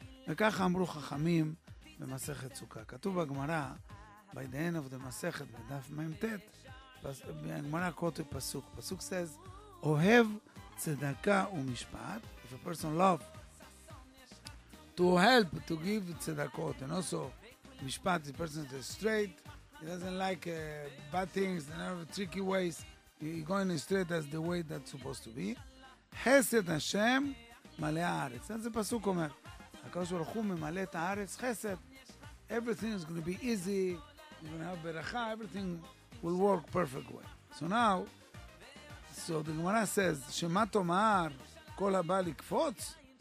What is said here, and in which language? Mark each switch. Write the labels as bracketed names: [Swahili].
[Hebrew] וככה אמרו חכמים במסכת סוכה. כתוב בגמרא, [English] by the end of the [Hebrew] מסכת, בדף מ"ט, בגמרא כותב פסוק. פסוק says, אוהב צדקה ומשפט. [English] If a person loves to help, to give צדקות, and also משפט, the person is straight, he doesn't like bad things, and have tricky ways, he's going straight as the way that's supposed to be. [Hebrew] חסד השם מלא הארץ. אז זה פסוק אומר, הקדוש ברוך הוא ממלא את הארץ חסד. [English] Everything is going to be easy, you're going to have ברכה, everything will work perfect way. So now, so the Gemara says, [Hebrew] שמה תאמר כל הבא לקפוץ?